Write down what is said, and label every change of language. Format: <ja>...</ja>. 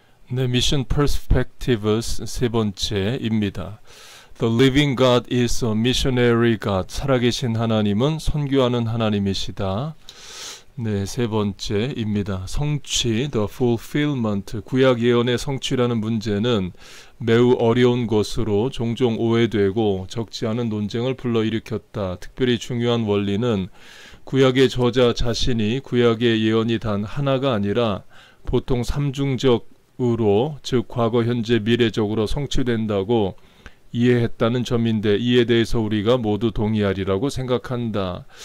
<ko>네, 미션 퍼스펙티브스 세 번째입니다.</ko> <en>The living God is a missionary God.</en> <ko>살아계신 하나님은 선교하는 하나님이시다. 네, 세 번째입니다. 성취,</ko> <en>the fulfillment.</en> <ko>구약 예언의 성취라는 문제는 매우 어려운 것으로 종종 오해되고 적지 않은 논쟁을 불러일으켰다. 특별히 중요한 원리는 구약의 저자 자신이 구약의 예언이 단 하나가 아니라 보통 삼중적 으로, 즉 과거, 현재, 미래적으로 성취된다고 이해했다는 점인데, 이에 대해서 우리가 모두 동의하리라고 생각한다.</ko>